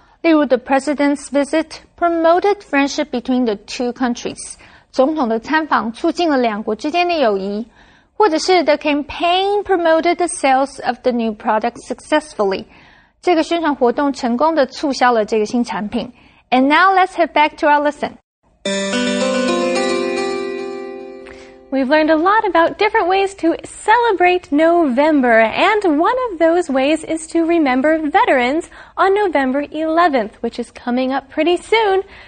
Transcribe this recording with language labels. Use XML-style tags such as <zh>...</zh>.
<zh>例如</zh> <en>,the president's visit promoted friendship between the two countries.</en> <zh>总统的参访促进了两国之间的友谊。或者是</zh> <en>,the campaign promoted the sales of the new product successfully.</en> <zh>这个宣传活动成功地促销了这个新产品。</zh> <en>And now let's head back to our lesson. We've learned a lot about different ways to celebrate November, and one of those ways is to remember veterans on November 11th, which is coming up pretty soon.</en>